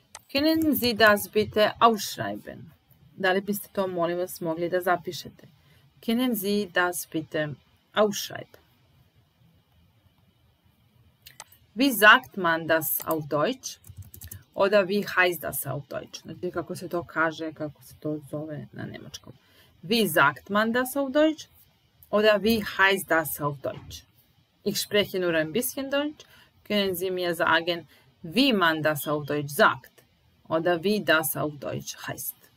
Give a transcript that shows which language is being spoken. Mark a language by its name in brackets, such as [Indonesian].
[German] Können Sie das bitte aufschreiben? [Serbian] Da li biste to, molim vas, mogli da zapišete? [German] Können Sie das bitte aufschreiben? Wie sagt man das auf Deutsch? Oda wie heißt das auf Deutsch? [Serbian] Znači kako se to kaže, kako se to zove na nemačkom. [German] Wie sagt man das auf Deutsch? Oda wie heißt das auf Deutsch? Ich spreche nur ein bisschen Deutsch. Können Sie mir sagen, wie man das auf Deutsch sagt? Oda wie das auf Deutsch heißt?